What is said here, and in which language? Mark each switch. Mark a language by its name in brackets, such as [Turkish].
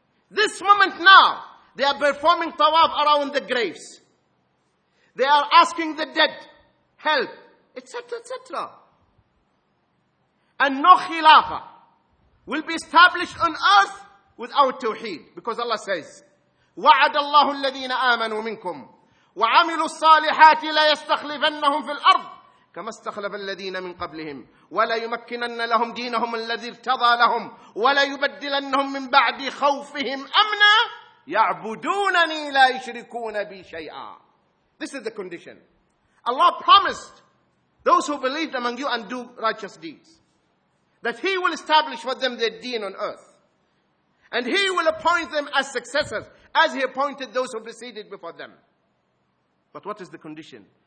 [English] This moment now, they are performing tawaf around the graves. They are asking the dead help, etc., etc. And no khilafah will be established on earth without tawheed. Because Allah says, [Arabic] وَعَدَ اللَّهُ الَّذِينَ آمَنُوا مِنْكُمْ وَعَمِلُوا الصَّالِحَاتِ لَيَسْتَخْلِفَنَّهُمْ فِي الْأَرْضِ كما استخلف الذين من قبلهم ولا يمكنن لهم دينهم الذي ارتضى لهم ولا يبدلنهم من بعد خوفهم امنا يعبدونني لا يشركون بي شيئا. [English] This is the condition. Allah promised those who believed among you and do righteous deeds that He will establish for them their deen on earth, and He will appoint them as successors as He appointed those who preceded before them. But what is the condition?